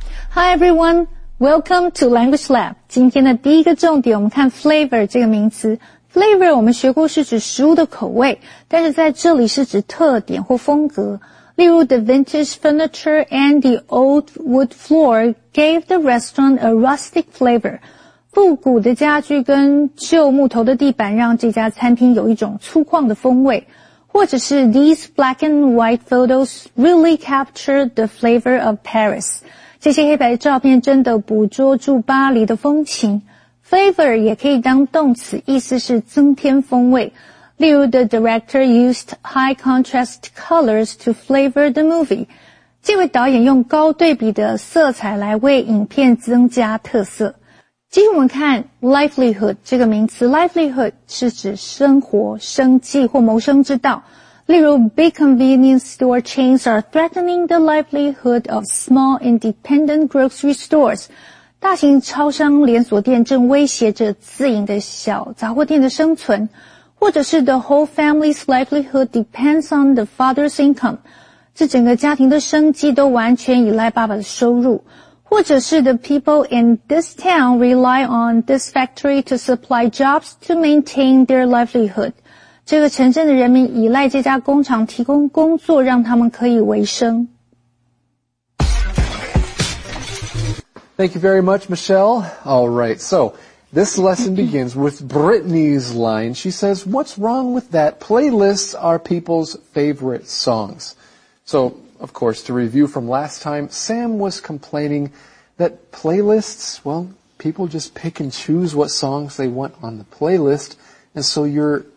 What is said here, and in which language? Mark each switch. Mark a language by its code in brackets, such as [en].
[en] Hi, everyone. Welcome to Language Lab. [zh] 今天的第一个重点，我们看 flavor 这个名词。 flavor 我们学过是指食物的口味，但是在这里是指特点或风格。例如 [en] ,the vintage furniture and the old wood floor gave the restaurant a rustic flavor. [zh] 复古的家具跟旧木头的地板让这家餐厅有一种粗犷的风味。或者是 [en] ,these black and white photos really capture the flavor of Paris. [zh] 这些黑白照片真的捕捉住巴黎的风情。 Flavor 也可以当动词，意思是增添风味。例如 [en] ,the director used high contrast colors to flavor the movie. [zh] 这位导演用高对比的色彩来为影片增加特色。接着我们看 livelihood 这个名词。livelihood 是指生活、生计或谋生之道。例如 [en] big convenience store chains are threatening the livelihood of small independent grocery stores. [zh] 大型超商连锁店正威胁着自营的小杂货店的生存。或者是 [en] the whole family's livelihood depends on the father's income. [zh] 这整个家庭的生计都完全依赖爸爸的收入。或者是 [en] the people in this town rely on this factory to supply jobs to maintain their livelihood. [zh] 这个城镇的人民依赖这家工厂提供工作，让他们可以维生。 [en] Thank you very much, Michelle. All right, so this lesson begins with Brittany's line. She says, "What's wrong with that? Playlists are people's favorite songs." So, of course, to review from last time, Sam was complaining that playlists, well, people just pick and choose what songs they want on the playlist, and so you're...